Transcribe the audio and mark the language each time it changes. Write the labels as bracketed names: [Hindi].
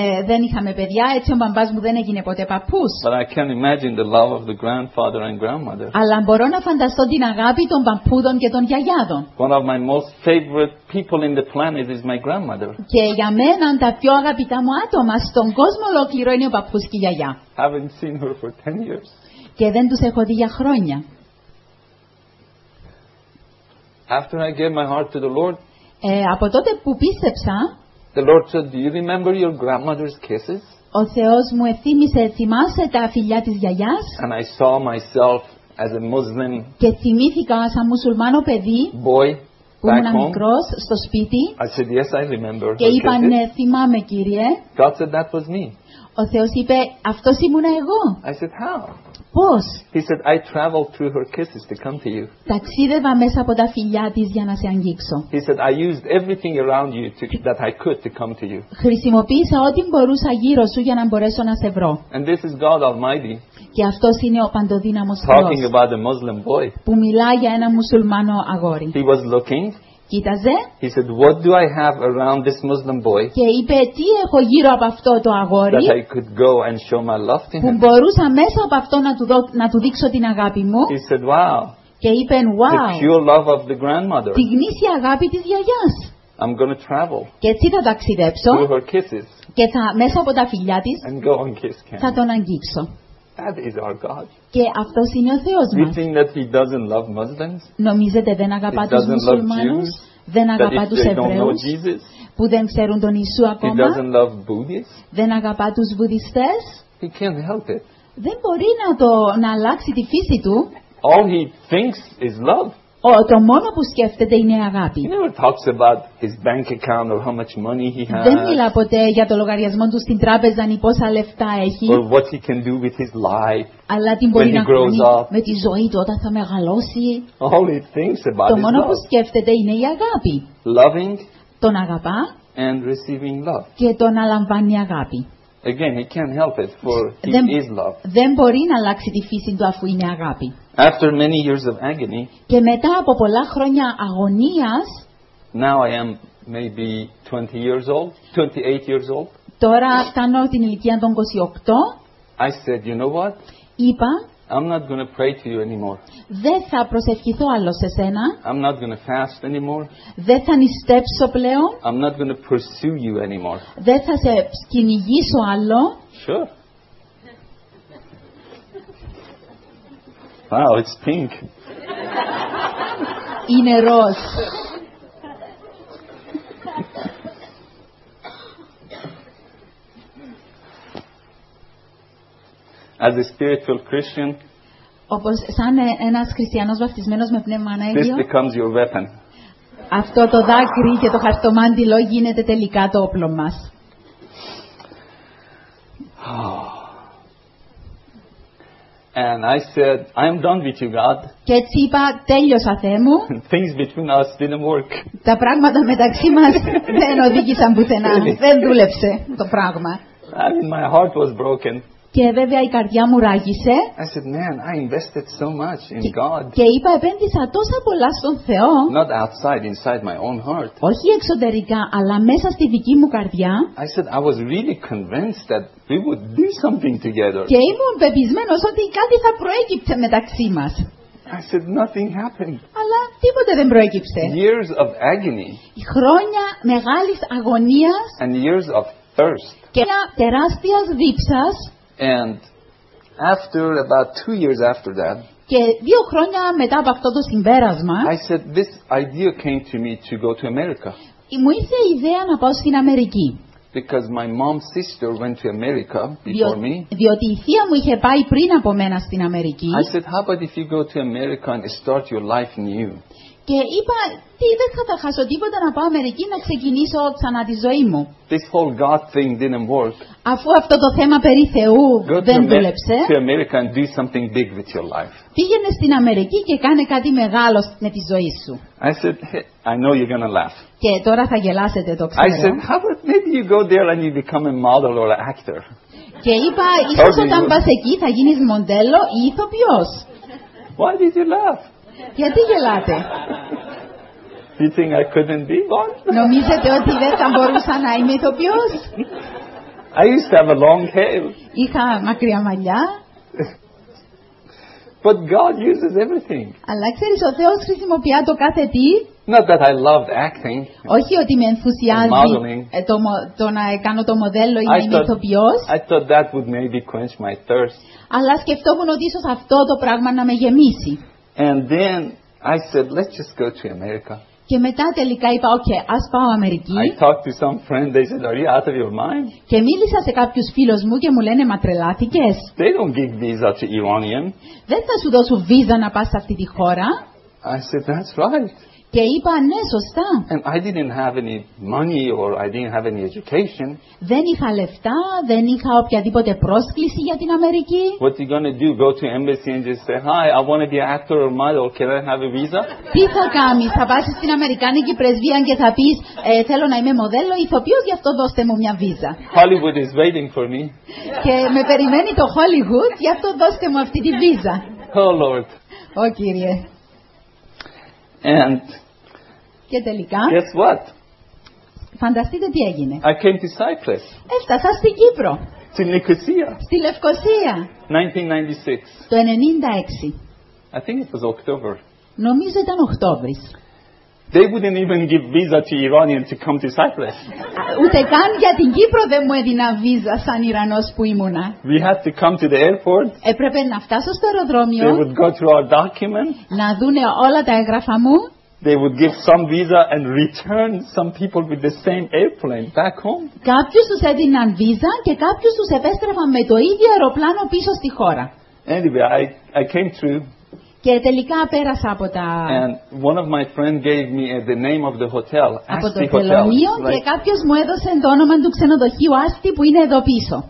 [Greek] δεν είχαμε παιδιά, έτσι ο μπαμπάς μου δεν έγινε ποτέ παππούς. [English] But I can imagine the love of the grandfather and grandmother. [Greek] Αλλά μπορώ να φανταστώ την αγάπη των παππούδων και των γιαγιάδων. [English] One of my most favorite people in the planet is my grandmother. [Greek] Και για μένα τα πιο αγαπητά μου άτομα στον κόσμο ολόκληρο είναι ο παππούς και η γιαγιά. [English] Haven't seen her for 10 years. [Greek] Και δεν τους έχω δει για χρόνια. [English] After I gave my heart to the Lord, [Greek] από τότε που πίστεψα, [English] the Lord said, "Do you remember your grandmother's kisses?" [Greek] Ο Θεός μου εθύμισε, θυμάσαι τα φιλιά της γιαγιάς. [English] And I saw myself as a Muslim. [Greek] Και θυμήθηκα σαν μουσουλμάνο παιδί. [English] Boy. [Greek] μικρός στο σπίτι. [English] I said, yes, I remember. [Greek] Και είπα, ναι, θυμάμαι, Κύριε. [English] God said, that was me. [Greek] Ο Θεός είπε, αυτός ήμουνα εγώ. [English] I said, how? [Greek] Πώς? [English] He said, I traveled through her kisses to come to you. [Greek] Ταξίδευα μέσα από τα φιλιά της για να σε αγγίξω. [English] He said, I used everything around you to, that I could to come to you. [Greek] Χρησιμοποίησα ό,τι μπορούσα γύρω σου για να μπορέσω να σε βρω. [English] And this is God Almighty. [Greek] Και αυτός είναι ο παντοδύναμος [English] Talking [Greek] Θεός. [English] About a Muslim boy. [Greek] Που μιλά για ένα μουσουλμάνο αγόρι. [English] He was looking. [Greek] Κοίταζε. [English] He said, what do I have around this Muslim boy? [Greek] Και είπε, τι έχω γύρω από αυτό το αγόρι. [English] That I could go and show my love to him. [Greek] Που μπορούσα μέσα από αυτό να του δείξω την αγάπη μου. [English] He said, wow. [Greek] Και είπε, [English] wow. The pure love of the grandmother. [Greek] Τη γνήσια αγάπη της γιαγιάς. [English] I'm going to travel. [Greek] Και έτσι θα ταξιδέψω. [English] Through her kisses. [Greek] Και θα μέσα από τα φιλιά της. [English] And go and kiss Ken. [Greek] Θα τον αγγίξω. [English] That is our God. [Greek] Και αυτός είναι ο Θεός μας. [English] You think that he doesn't love Muslims? [Greek] Νομίζετε δεν αγαπά [English] he [Greek] τους μουσουλμάνους, δεν αγαπά τους Εβραίους, που δεν ξέρουν τον Ιησού ακόμα, [English] he doesn't love Buddhists? [Greek] Δεν αγαπά τους Βουδιστές, [English] he can't help it. [Greek] Δεν μπορεί να αλλάξει τη φύση του. [English] All he thinks is love. [Greek] Το μόνο που σκέφτεται είναι αγάπη. [English] He never talks about his bank account or how much money he has. [Greek] Δεν μιλά ποτέ για το λογαριασμό του στην τράπεζα ή πόσα λεφτά έχει. [English] Or what he can do with his life. [Greek] Αλλά τι μπορεί να κάνει με τη ζωή του όταν θα μεγαλώσει. [English] All he thinks about [Greek] Το μόνο που σκέφτεται είναι η αγάπη. [English] Loving. [Greek] Τον αγαπά. [English] And receiving love. [Greek] Και το να λαμβάνει αγάπη. [English] Again, he can't help it, for he is love. [Greek] Δεν μπορεί να αλλάξει τη φύση του αφού είναι αγάπη. [English] After many years of agony, [Greek] και μετά από πολλά χρόνια αγωνίας, [English] now I am maybe 20 years old, 28 years old. [Greek] Τώρα φτάνω την ηλικία των 28. [English] I said, you know what? [Greek] Είπα, [English] I'm not going to pray to you anymore. [Greek] Δεν θα προσευχηθώ άλλο σε σένα. [English] I'm not going to fast anymore. [Greek] Δεν θα νηστέψω πλέον. [English] I'm not going to pursue you anymore. [Greek] Δεν θα σε κυνηγήσω άλλο. [English] Sure. Wow, it's pink. [Greek] Είναι ροζ. [English] As a spiritual Christian, [Greek] όπως σαν ένας χριστιανός βαφτισμένος με πνεύμα Άγιο, [English] this becomes your weapon. [Greek] Αυτό το δάκρυ και το χαρτομάντιλο γίνεται τελικά το όπλο μας. [English] And I said, I am done with you, God. [Greek] Και έτσι είπα, τέλειωσα, Θεέ μου. [English] Things between us didn't work. [Greek] Τα πράγματα μεταξύ μας δεν οδήγησαν πουθενά. Δεν δούλεψε το πράγμα. [English] I mean, my heart was broken. [Greek] Και βέβαια η καρδιά μου ράγησε. [English] I said, man, I invested so much in God. [Greek] Και είπα, επένδυσα τόσα πολλά στον Θεό. [English] Not outside, inside my own heart. [Greek] Όχι εξωτερικά, αλλά μέσα στη δική μου καρδιά. [English] I said, I was really convinced that we would do something together. [Greek] Και ήμουν πεπισμένος ότι κάτι θα προέκυψε μεταξύ μας. [English] I said, nothing happened. [Greek] Αλλά τίποτε δεν προέκυψε. [English] Years of agony. [Greek] Χρόνια μεγάλης αγωνίας. [English] And years of thirst. [Greek] Και μια τεράστια δίψα. [English] And after about 2 years after that, [Greek] και 2 χρόνια μετά από αυτό το συμπέρασμα, [English] I said, this idea came to me to go to America. [Greek] Μου ήρθε η ιδέα να πάω στην Αμερική. [English] Because my mom's sister went to America before me. [Greek] Διότι η θεία μου είχε πάει πριν από μένα στην Αμερική. [English] I said, how about if you go to America and start your life new? [Greek] Και είπα, τι, δεν θα τα χάσω τίποτα να πάω Αμερική να ξεκινήσω ξανά τη ζωή μου. [English] This whole God thing didn't work. [Greek] Αφού αυτό το θέμα περί Θεού [English] go [Greek] δεν [English] to [Greek] δούλεψε, [English] to America and do something big with your life. [Greek] Πήγαινε στην Αμερική και κάνε κάτι μεγάλο με τη ζωή σου. [English] I said, hey, I know you're gonna laugh. [Greek] Και τώρα θα γελάσετε, το ξέρω. [English] I said, how about maybe you go there and you become a model or an actor. [Greek] Και είπα, ίσως όταν πας εκεί θα γίνεις μοντέλο ή ηθοποιός. [English] Why did you laugh? [Greek] Γιατί γελάτε? [English] You think I couldn't be one? [Greek] Νομίζετε ότι δεν θα μπορούσα να είμαι ηθοποιός? [English] I used to have a long hair. [Greek] Είχα μακριά μαλλιά. [English] But God uses everything. [Greek] Αλλά ξέρεις, ο Θεός χρησιμοποιεί το κάθε τι. [English] Not that I loved acting. [Greek] Όχι ότι με ενθουσιάζει το να κάνω το μοντέλο ή να είμαι ηθοποιός. [English] I thought that would maybe quench my thirst. [Greek] Αλλά σκεφτόμουν ότι ίσως αυτό το πράγμα να με γεμίσει. [English] And then I said, let's just go to America. [Greek] Και μετά τελικά είπα, okay, ας πάω Αμερική. [English] I talked to some friend, they said, are you out of your mind? [Greek] Και μίλησα σε κάποιους φίλους μου και μου λένε, μα τρελάθηκες. [English] They don't give visa to Iranian. [Greek] Δεν θα σου δώσω βίζα να πας σε αυτή τη χώρα. [English] I said, that's right. [Greek] Και είπα, ναι, σωστά. [English] And I didn't have any money or I didn't have any education. [Greek] Δεν είχα λεφτά, δεν είχα οποιαδήποτε πρόσκληση για την Αμερική. [English] What are you going to do? Go to embassy and just say, hi, I want to be an actor or model. Can I have a visa? [Greek] Τι θα κάνεις, θα πας στην Αμερικάνικη πρεσβεία και θα πεις, θέλω να είμαι μοντέλο, ηθοποιός, γι' αυτό δώστε μου μια βίζα. [English] Hollywood is waiting for me. [Greek] Και με περιμένει το Hollywood, γι' αυτό δώστε μου αυτή τη βίζα. [English] Oh Lord. [Greek] Ω Κύριε. [English] And [Greek] και τελικά, [English] guess what? [Greek] Φανταστείτε τι έγινε. [English] I came to Cyprus. [Greek] Έφτασα στην Κύπρο. Στην Λευκοσία. Στη Λευκοσία. [English] 1996. [Greek] Το 96. [English] I think it was October. [Greek] Νομίζω ήταν Οκτώβρης. [English] They wouldn't even give visa to Iranians to come to Cyprus. [Greek] Ούτε καν για την Κύπρο δεν μου έδιναν βίζα σαν Ιρανός που ήμουνα. [English] We had to come to the airport. [Greek] Έπρεπε να φτάσω στο αεροδρόμιο. [English] They would go through our documents. [Greek] Να δούνε όλα τα έγγραφα μου. [English] They would give some visa and return some people with the same airplane back home. [Greek] Κάποιους τους έδιναν βίζα και κάποιους τους επέστρεφαν με το ίδιο αεροπλάνο πίσω στη χώρα. [English] Anyway, I came through. [Greek] Και τελικά πέρασα από τα. [English] And one of my friends gave me the name of the hotel, Asti Hotel. [Greek] Από το Θελωνίο και κάποιος μου έδωσε το όνομα του ξενοδοχείου Asti που είναι εδώ πίσω.